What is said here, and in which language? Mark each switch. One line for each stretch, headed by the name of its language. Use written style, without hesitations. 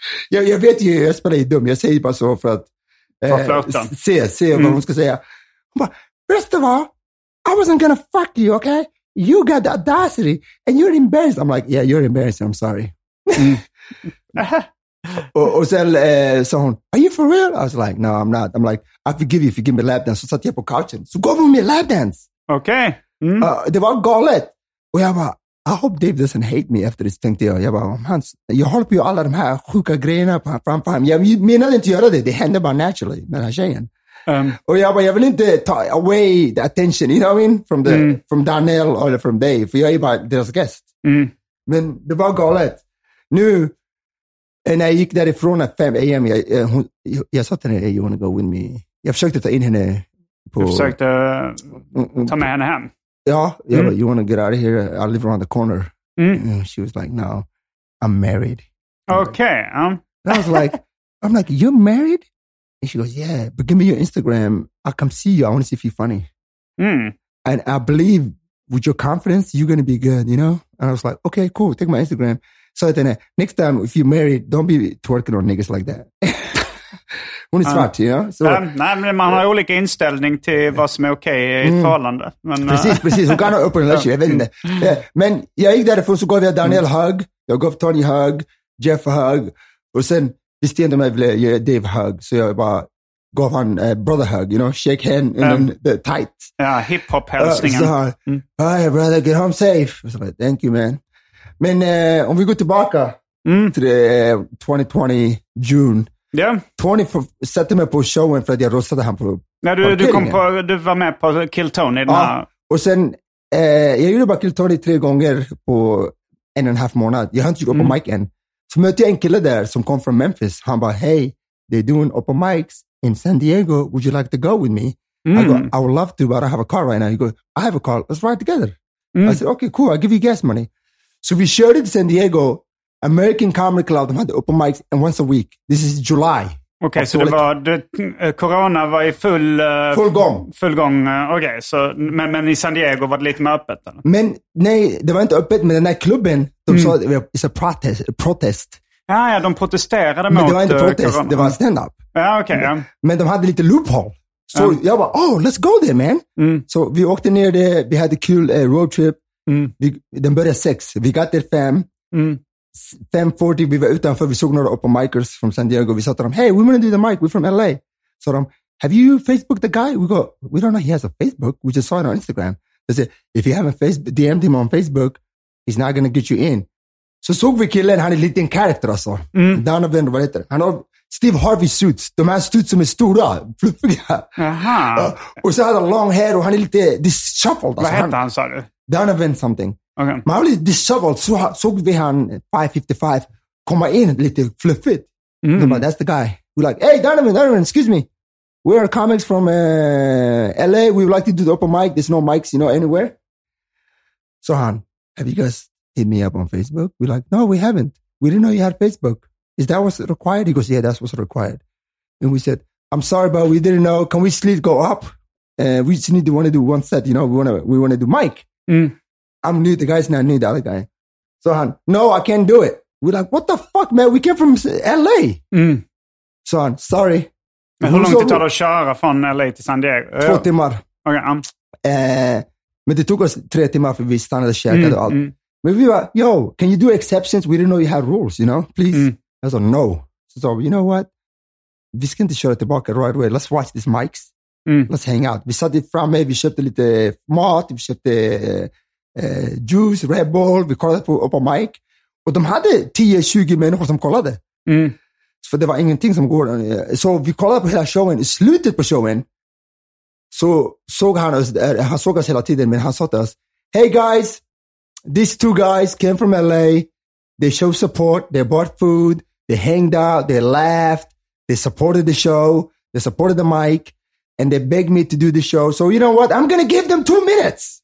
Swedish: Yeah, jag vet ju, jag spelar ju dum. Jag säger bara så för att se vad hon ska säga.
English: But first of all, I wasn't gonna fuck you, okay? You got the audacity and you're embarrassed. I'm like, yeah, you're embarrassed. I'm sorry.
Swedish: Och sen sa hon,
English: are you for real? I was like, no, I'm not. I'm like, I forgive you if you give me a lap dance.
Swedish: Så satt jag på couchen. Så gav hon mig
English: a lap dance.
Swedish: Okej.
English: Okay. Mm.
Swedish: Det var galet. Och jag bara,
English: I hope Dave doesn't hate me after this,
Swedish: tänkte jag. Jag bara, man, jag håller på ju alla de här sjuka grejerna framför honom. Jag menade inte göra det. Det hände bara naturally med den här tjejen. Och jag bara, jag vill inte ta
English: away the attention, you know what I mean?
Swedish: From Daniel eller from Dave. För jag är bara deras guest. Mm. Men det var galet. Nu, när jag gick därifrån att 5 a.m. Jag sa till henne,
English: hey, you wanna go with me?
Swedish: Jag försökte ta in henne på... Du försökte ta med henne hem? Ja, jag bara,
English: you wanna get out of here? I live around the corner. Mm. She was like, no, I'm married. Okay. And I was like, I'm like, you're married? And she goes, yeah, but give me your Instagram. I'll come see you. I want to see if you're funny. Mm. And I believe with your confidence, you're going to be good, you know? And I was like, okay, cool. Take my Instagram. So then next time, if you're married, don't be twerking on niggas like that.
Swedish: Hon är svart, ja. Nej, men man har olika inställning till vad som är okej i ett förhållande. Precis. Hon kan ha öppen relation, jag vet inte. Yeah. Men jag gick därifrån, så gav jag Daniel hug. Jag gav Tony hug. Jeff hug. Och sen visste jag inte om jag ville ge Dave hug. Så jag bara gav han brother hug,
English: you know, shake hand the tight.
Swedish: Ja, hiphop hälsningen.
English: Hi brother, get home safe.
Swedish: Så bara,
English: thank you man.
Swedish: Men om vi går tillbaka till 2020 June. Ja. Tony satte mig på showen för att jag röstade han på. Nej, du kom på, du var med på Kill Tony. Ja. Och sen jag gjorde bara Kill Tony 3 gånger på 1.5 månad. Jag har inte gjort på mic än. Så mötte jag en kille där som kom från Memphis. Han bara,
English: hey, they're doing open mics in San Diego. Would you like to go with me? I go, I would love to, but I have a car right now. He goes, I have a car. Let's ride together. I said, okay, cool. I'll give you gas money. So we showed it to San Diego. American Comedy Club,
Swedish: de hade
English: open mics and once a week. This is July.
Swedish: Okej, okay, så det var, corona var i full gång. Okej, okay, men i San Diego var det lite mer öppet? Eller? Men nej, det var inte öppet, men den där klubben, de sa att det var en protest. Ja, de protesterade mot corona. Det var inte protest, corona. Det var stand-up. Ja, okay, men, ja. Men de hade lite loophole. Så jag bara,
English: oh, let's go there, man.
Swedish: Så vi åkte ner där, vi hade kul roadtrip. Den började 6, vi
English: got there
Swedish: 5. 5:40, vi var utanför, vi såg några open micers från San Diego, vi sa till dem,
English: hey, we want to do the mic, we're from LA.
Swedish: Så de,
English: have you Facebooked the guy? We go, we don't know, he has a Facebook, we just saw it on Instagram. They said, if you haven't DM'd him on Facebook, he's not going to get you in.
Swedish: Så såg vi killen, han är en liten karakter alltså. Donovan, vad heter han? Har Steve Harvey suits, de här suits som är stora, fluffiga. Och så hade han long hair och han är lite disshuffled. Vad heter han, sa du? Donovan something.
English: Okay.
Swedish: Man blev disheveled, så såg vi han 555 komma in lite fluffigt. Bara,
English: that's the guy. We're like, hey Donovan, excuse me. We are comics from LA. We would like to do the open mic. There's no mics, you know, anywhere. So han, have you guys hit me up on Facebook? We're like, no, we haven't. We didn't know you had Facebook. Is that what's required? He goes, yeah, that's what's required. And we said, I'm sorry, but we didn't know. Can we sleep go up? We just need to want to do one set, you know, we want to do mic. I'm new. The guy's not new. The other guy. So, han, no, I can't do it. We're like, what the fuck, man? We came from LA. So, han, sorry.
Swedish: Men hur långt det tar att köra från LA till San Diego? 2 timmar. Okay, men det tog oss 3 timmar för vi stannade och käkade och allt. Men vi var,
English: yo, can you do exceptions? We didn't know you had rules, you know? Please. I said, no. So, you know what?
Swedish: Vi ska inte köra tillbaka
English: right away. Let's watch these mics. Let's hang out.
Swedish: Vi satt framme. Vi köpte lite mat. Vi köpte juice, Red Bull, vi kollade på open mic och de hade 10-20 människor som kollade. Så det var ingenting som går. Så vi kollade på hela showen, i slutet på showen så såg han oss där. Han såg oss hela tiden, men han sa till oss,
English: hey guys, these two guys came from LA, they show support, they bought food, they hanged out, they laughed, they supported the show, they supported the mic. And they begged me to do the show. So you know what? I'm going to give them 2 minutes.